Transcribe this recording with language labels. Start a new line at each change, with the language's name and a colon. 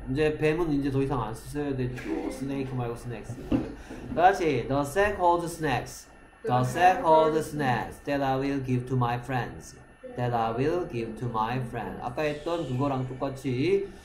Korean: 이제 뱀은 이제 더 이상 안 쓰셔야 되죠.
English: 스네이크 말고 스낵스. 다시 the sack holds snacks. The sack holds snacks that I will give to my friends. That I will give to my friends.
Korean: 아까 했던 그거랑 똑같이.